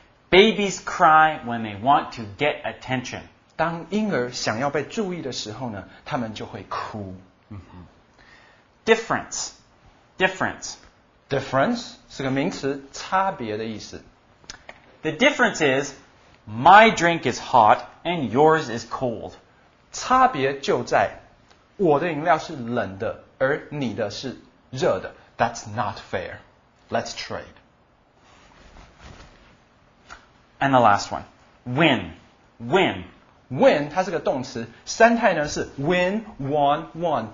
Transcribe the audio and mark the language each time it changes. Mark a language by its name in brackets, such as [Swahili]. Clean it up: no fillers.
[English] Babies cry when they want to get attention. [Chinese] 当婴儿想要被注意的时候呢，他们就会哭。 [English] Difference [Chinese] 是个名词，差别的意思。 [English] The difference is... My drink is hot and yours is cold. [Chinese] 差别就在我的饮料是冷的而你的是热的。 [English] That's not fair. Let's trade. And the last one. Win. [Chinese] Win 它是个动词。三态呢是 [English] win, won, won.